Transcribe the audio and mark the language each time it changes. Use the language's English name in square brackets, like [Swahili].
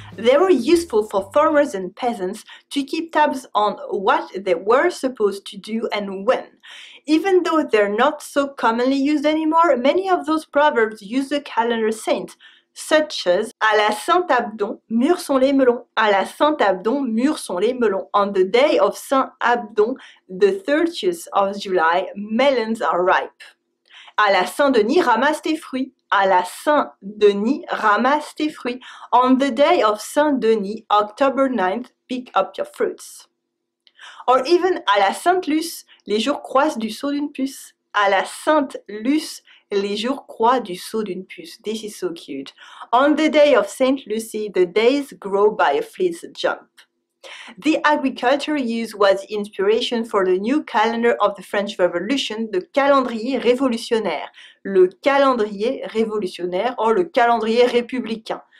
[English] They were useful for farmers and peasants to keep tabs on what they were supposed to do and when. Even though they're not so commonly used anymore, many of those proverbs use the calendar saint, such as à la Saint Abdon, mûrs sont les melons. [French] À la Saint Abdon, mûrs sont les melons. [English] On the day of Saint Abdon, the 30th of July, melons are ripe. [French] À la Saint-Denis, ramasse tes fruits. À la Saint-Denis, ramasse tes fruits. [English] On the day of Saint-Denis, October 9th, pick up your fruits. Or even à la Sainte-Luce, les jours croissent du saut d'une puce. [French] À la Sainte-Luce, les jours croissent du saut d'une puce. [English] This is so cute. On the day of Saint Lucy, the days grow by a fleet's jump. The agriculture use was inspiration for the new calendar of the French Revolution, the calendrier révolutionnaire. [French] Le calendrier révolutionnaire, or le calendrier républicain.